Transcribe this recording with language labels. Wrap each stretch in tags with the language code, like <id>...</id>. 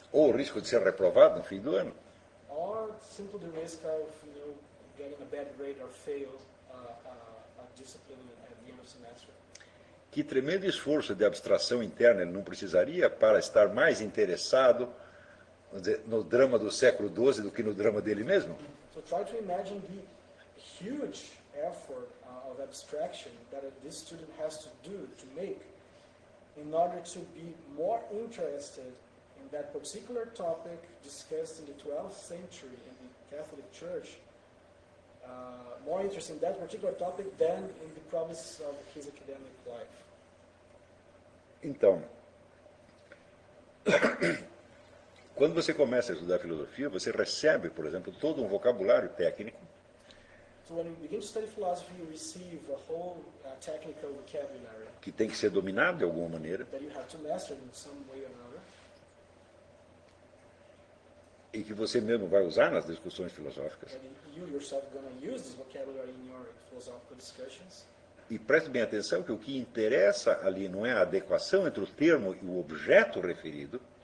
<pt>Ou o risco de ser reprovado no fim do ano.</pt> <en>Or simply the risk of, you know, getting a bad grade or fail a discipline at the end of semester.</en> <pt>Que tremendo esforço de abstração interna ele não precisaria para estar mais interessado no drama do século XII do que no drama dele mesmo?</pt> <en>So try to imagine the huge effort of abstraction that this student has to do to make in order to be more interested in that particular topic discussed in the 12th century in the Catholic Church, more interested in that particular topic than in the promise of his academic life.</en> <pt>Então, quando você começa a estudar filosofia, você recebe, por exemplo, todo um vocabulário técnico.</pt> <en>So when you begin to study philosophy, you receive a whole technical vocabulary.</en> <pt>Que tem que ser dominado de alguma maneira.</pt> <en>That you have to master in some way or another.</en> <pt>E que você mesmo vai usar nas discussões filosóficas.</pt> <en>And you yourself are going to use this vocabulary in your philosophical discussions.</en> <pt>E preste bem atenção que o que interessa ali não é a adequação entre o termo e o objeto referido.</pt>